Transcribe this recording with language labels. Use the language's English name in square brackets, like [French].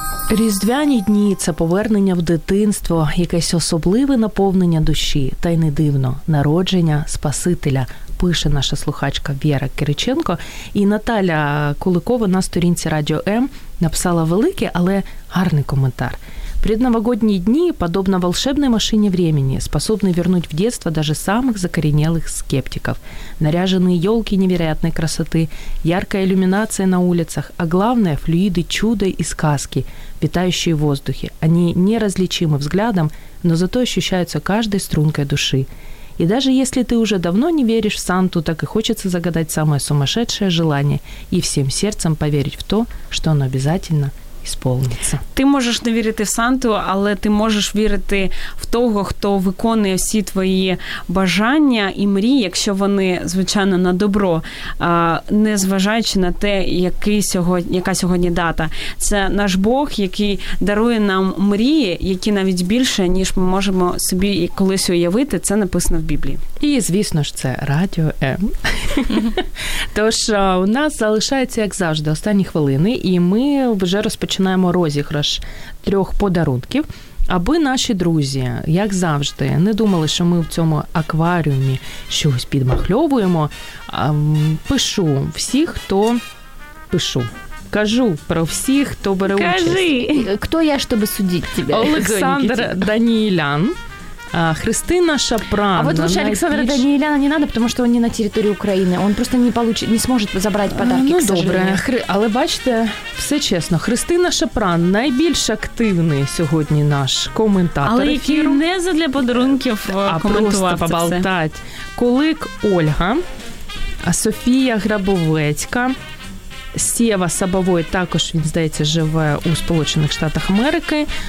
[Ukrainian] Різдвяні дні – це повернення в дитинство, якесь особливе наповнення душі, та й не дивно – народження Спасителя, пише наша слухачка Вєра Кириченко. І Наталя Куликова на сторінці Радіо М написала великий, але гарний коментар. [Russian] «Предновогодні дні, подобно волшебной машине времени, способны вернуть в детство даже самых закоренелых скептиков. Наряженные елки невероятной красоты, яркая иллюминация на улицах, а главное – флюиды чуда и сказки, витающие в воздухе. Они неразличимы взглядом, но зато ощущаются каждой стрункой души. И даже если ты уже давно не веришь в Санту, так и хочется загадать самое сумасшедшее желание и всем сердцем поверить в то, что оно обязательно сповниться. [Ukrainian] Ти можеш не вірити в Санту, але ти можеш вірити в того, хто виконує всі твої бажання і мрії, якщо вони, звичайно, на добро, не зважаючи на те, яка сьогодні дата. Це наш Бог, який дарує нам мрії, які навіть більше, ніж ми можемо собі колись уявити, це написано в Біблії. І, звісно ж, це Радіо М. Тож, у нас залишається, як завжди, останні хвилини, і ми вже починаємо розіграш трьох подарунків, аби наші друзі, як завжди, не думали, що ми в цьому акваріумі щось підмахльовуємо. Пишу всіх, хто... Пишу. Кажу про всіх, хто бере Кажи. Участь. Кажи! Хто я, щоб судити тебе? Олександр Даніелян. Христина Шапран. [Russian] А вот лучше Александра Даниеляна не надо, потому что он не на территории Украины. Он просто не получит, не сможет забрать подарки, ну, к добре. Сожалению. [Ukrainian] Але бачите, все честно. Христина Шапран – найбільш активний сьогодні наш коментатор. Але який не задля подарунків коментував. А просто поболтати. Кулик Ольга, Софія Грабовецька, Сєва Сабовой, також він, здається, живе у Сполучених Штатах Америки.